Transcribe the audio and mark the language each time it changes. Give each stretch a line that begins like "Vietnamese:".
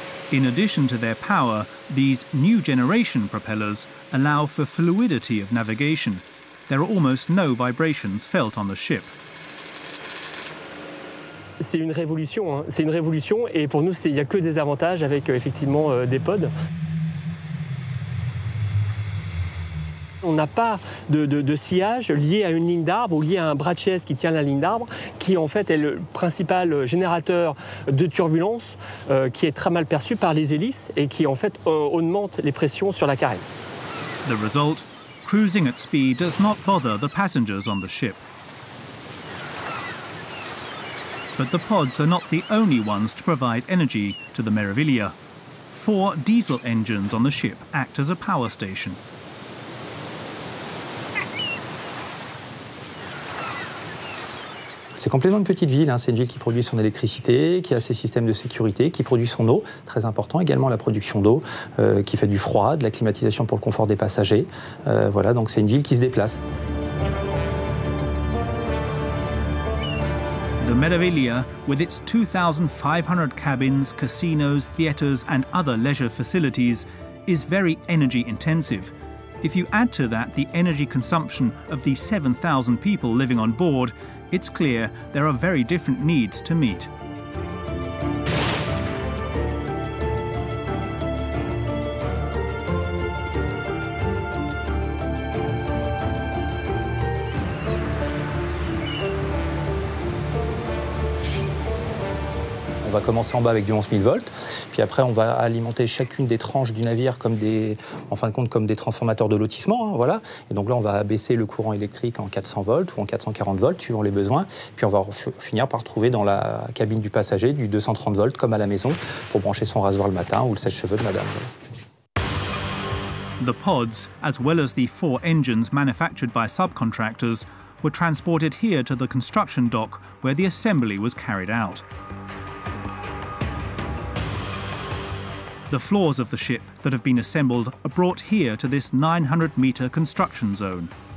English: In addition to their power, these new generation propellers allow for fluidity of navigation. There are almost no vibrations felt on the ship.
French: C'est une révolution, hein. C'est une révolution, et pour nous, il n'y a que des avantages avec effectivement des pods. On n'a pas de sillage lié à une ligne d'arbre ou lié à un bras de chaise qui tient la ligne d'arbre, qui en fait est le principal générateur de turbulence qui est très mal perçu par les hélices et qui en fait augmente les pressions sur la carène.
English: The result, cruising at speed does not bother the passengers on the ship. But the pods are not the only ones to provide energy to the Meraviglia. Four diesel engines on the ship act as a power station.
French: C'est complètement une petite ville, hein. C'est une ville qui produit son électricité, qui a ses systèmes de sécurité, qui produit son eau, très important également la production d'eau, qui fait du froid, de la climatisation pour le confort des passagers. Voilà, donc c'est une ville qui se déplace.
English: The Meraviglia, with its 2,500 cabins, casinos, theatres and other leisure facilities, is very energy intensive. If you add to that the energy consumption of the 7,000 people living on board, it's clear there are very different needs to meet.
French: On va commencer en bas avec du 11 000 volts, puis après on va alimenter chacune des tranches du navire comme des, en fin de compte, comme des transformateurs de lotissement, hein, voilà. Et donc là on va baisser le courant électrique en 400 volts ou en 440 volts suivant les besoins, puis on va finir par trouver dans la cabine du passager du 230 volts comme à la maison pour brancher son rasoir le matin ou le sèche-cheveux de madame. Voilà.
English: The pods, as well as the four engines manufactured by subcontractors, were transported here to the construction dock where the assembly was carried out. The floors of the ship that have been assembled are brought here to this 900-meter construction zone.